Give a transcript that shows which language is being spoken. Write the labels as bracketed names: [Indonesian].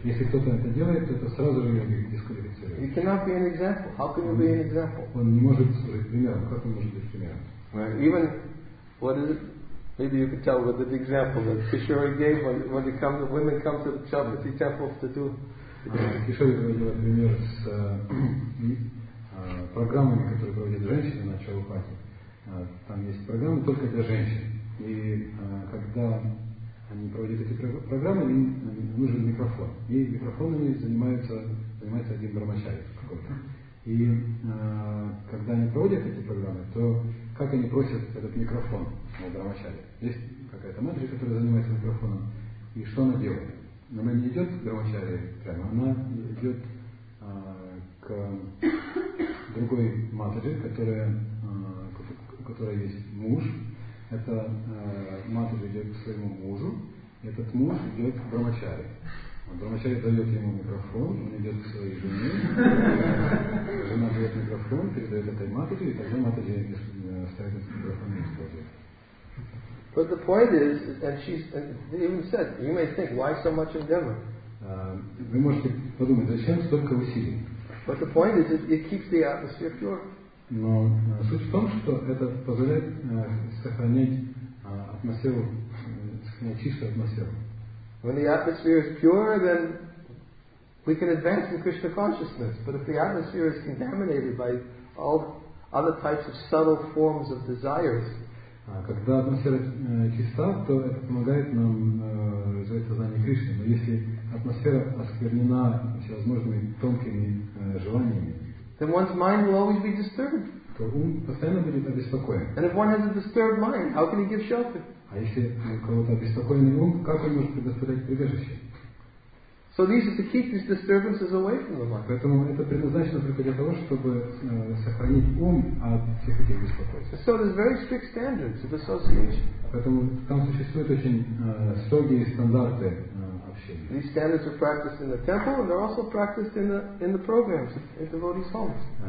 [Russian] Если кто-то это делает, то это сразу же его дисквалифицирует. [English] You cannot be an example. How can you be an example? [Russian] Он не может служить примером. Как он может быть примером? [English] Even what is it? Maybe you could tell with the example that Kishore gave when they come, the women come to the Chavati temples to do. Kishore gave a example with the programs that are provided for women at Chavati. There is a program only for women. And when they provide these programs, they need a microphone. And microphones are used [Russian] занимается один брамачари какой-то. И когда они проводят эти программы, то как они просят этот микрофон на брамачари? Есть какая-то матри, которая занимается микрофоном, и что она делает? Она не идет к брамачари прямо, она идет к другой матри, которая, у которой есть муж. Эта матри идет к своему мужу, этот муж идет к брамачари. Брамачари дает ему микрофон, он идет к своей жене, жена дает микрофон, передает этой матери, и тогда матери ставит этот микрофон и использует. [English] But the point is, and she's even said, you may think, why so much endeavor? [Russian] Вы можете подумать, зачем столько усилий? [English] But the point is, it keeps the atmosphere pure. [Russian] Но суть в том, что это позволяет сохранять атмосферу, сохранять чистую атмосферу. [English] When the atmosphere is pure, then we can advance in Krishna consciousness. But if the atmosphere is contaminated by all other types of subtle forms of desires, [Russian] когда атмосфера чиста, то это помогает нам развивать сознание Кришны. Но если атмосфера осквернена всевозможными тонкими желаниями, [English] then one's mind will always be disturbed. [Russian] То ум постоянно будет обеспокоен. [English] And if one has a disturbed mind, how can he give shelter? [Russian] А если у кого-то обеспокоенный ум, как он может предоставлять прибежище? [English] So these are to keep these disturbances away from the mind. [Russian] Поэтому это предназначено только для того, чтобы сохранить ум от всех этих беспокойств. [English] So there's very strict standards of association. [Russian] Поэтому там существуют очень строгие стандарты общения. [English] These standards are practiced in the temple, and they're also practiced in the programs in devotees' homes.